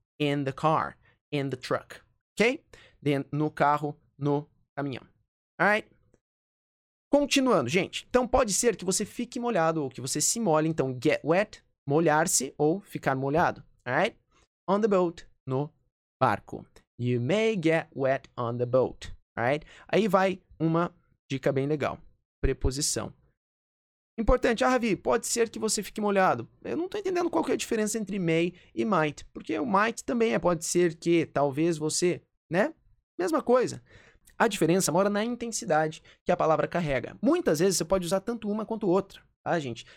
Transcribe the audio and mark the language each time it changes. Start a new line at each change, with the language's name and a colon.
English: In the car, in the truck, ok?
Portuguese: No carro, no caminhão.
English: Alright?
Portuguese: Continuando, gente. Então, pode ser que você fique molhado ou que você se mole. Então, get wet, molhar-se ou ficar molhado.
English: Alright? On the boat,
Portuguese: no barco.
English: You may get wet on the boat, right?
Portuguese: Aí vai uma dica bem legal. Preposição. Importante, ah, Ravi, pode ser que você fique molhado. Eu não estou entendendo qual que é a diferença entre may e might. Porque o might também é pode ser que, talvez você, né? Mesma coisa. A diferença mora na intensidade que a palavra carrega. Muitas vezes você pode usar tanto uma quanto outra, tá, gente?